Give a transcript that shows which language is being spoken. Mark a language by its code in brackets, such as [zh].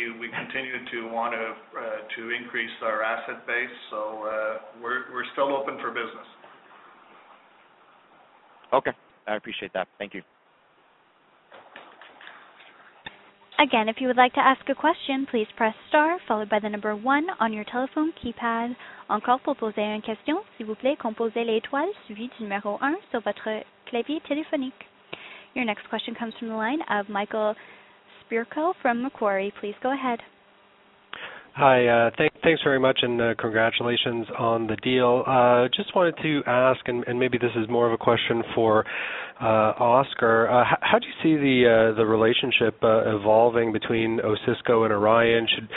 [en] We continue to want to increase our asset base, so we're still open for business. Okay, I appreciate that. Thank you. Again, if you would like to ask a question, please press star followed by the number 1 on your telephone keypad. [fr] Encore pour poser une question, s'il vous plaît, composez l'étoile suivie du numéro 1 sur votre clavier téléphonique. [en] Your next question comes from the line of Michael Spierko from Macquarie. Please go ahead. Hi, thanks very much, and congratulations on the deal. Just wanted to ask, and maybe this is more of a question for Oscar, how do you see the relationship evolving between Osisko and Orion?